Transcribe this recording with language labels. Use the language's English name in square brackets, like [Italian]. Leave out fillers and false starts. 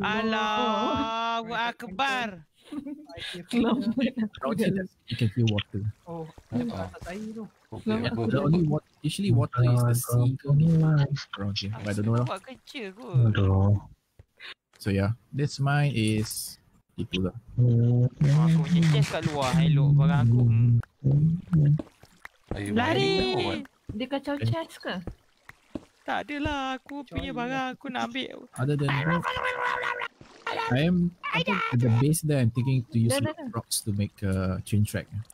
[Arabic] Allahu Akbar. [English] You can feel water. Oh, yeah, water. Usually water is the sea around here, but I don't know. So yeah, this mine is [Malay] itu lah. Aku punya chest kat luar, hello barang aku. Lari. Dia kacau chest ke? Tak adalah, aku punya barang aku nak ambil. [English] Other than that, I am at the base there, I'm thinking to use rocks to make a chain track.